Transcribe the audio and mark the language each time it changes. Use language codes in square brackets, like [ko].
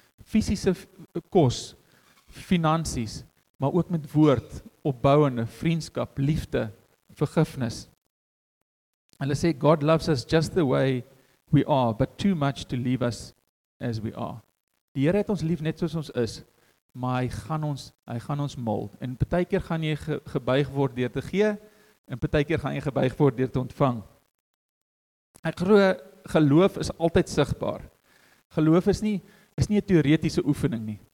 [af] Fisiese kos, finansies, maar ook met woord, opbouende, vriendskap, liefde, vergifnis. Hulle sê, [en] God loves us just the way we are, but too much to leave us as we are. [af] Die Here het ons lief net soos ons is, maar hy gaan ons mold. En partykeer gaan jy gebuig word deur te gee, en partykeer gaan jy gebuig word deur te ontvang. Ek glo, geloof is altyd sigbaar. Geloof is nie 'n teoretiese oefening nie.